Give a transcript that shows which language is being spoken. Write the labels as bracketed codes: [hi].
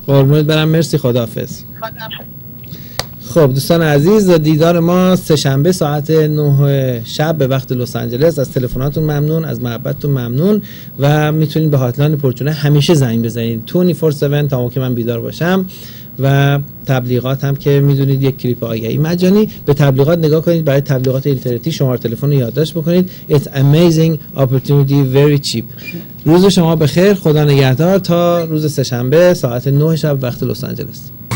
[fa] قربونت برم، مرسی، خداحافظ. خب دوستان عزیز، دیدار ما سه‌شنبه ساعت 9 شب به وقت لس آنجلس. از تلفناتون ممنون، از محبتتون ممنون، و میتونید به هاتلاین پرچونه همیشه زنگ بزنید 24/7 تا موقعی که من بیدار باشم. و تبلیغات هم که میدونید یک کلیپ آگهی مجانی، به تبلیغات نگاه کنید، برای تبلیغات اینترنتی شماره تلفن رو یادداشت بکنید. [en] It's amazing opportunity very cheap. [fa] روز شما بخیر، خدا نگهدار، تا روز سه‌شنبه ساعت 9 شب وقت لس آنجلس.